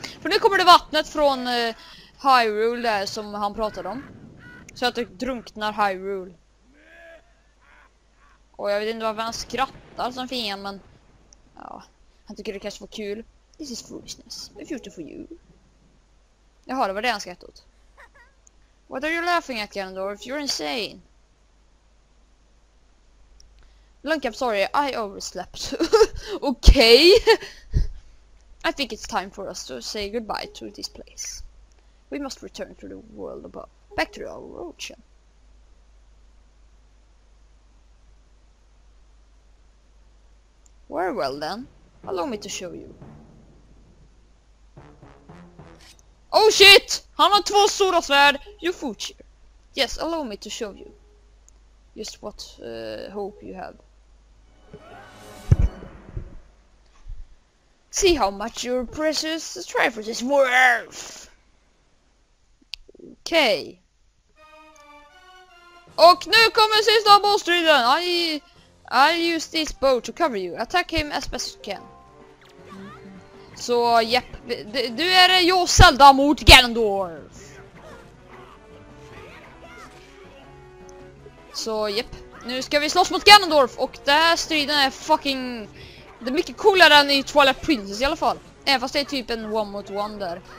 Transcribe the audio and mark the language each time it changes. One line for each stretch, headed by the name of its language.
Swedish: För nu kommer det vattnet från Hyrule där som han pratade om. Så att det drunknar Hyrule. Och jag vet inte varför han skrattar som fin, men... Ja, han tycker det kanske var kul.
English: This is foolishness. A future for you.
Swedish: Jaha, det var det han skrattade åt.
English: What are you laughing at, Ganondorf? You're insane. Lunk, I'm sorry, I overslept. Okay. I think it's time for us to say goodbye to this place. We must return to the world above. Back to our ocean. Very well then. Allow me to show you. Oh shit!
Swedish: Han har två stora svärd!
English: You fucker. Yes, allow me to show you. Just what hope you have. See how much your precious treasure is worth! Okej.
Swedish: Och nu kommer sista bossstriden!
English: I'll use this bow to cover you. Attack him as best you can.
Swedish: Så, japp. Du är jag Zelda mot Ganondorf! Så, japp. Nu ska vi slåss mot Ganondorf och den här striden är fucking... Det är mycket coolare än i Twilight Princess i alla fall. Även fast det är typ en one mot one där.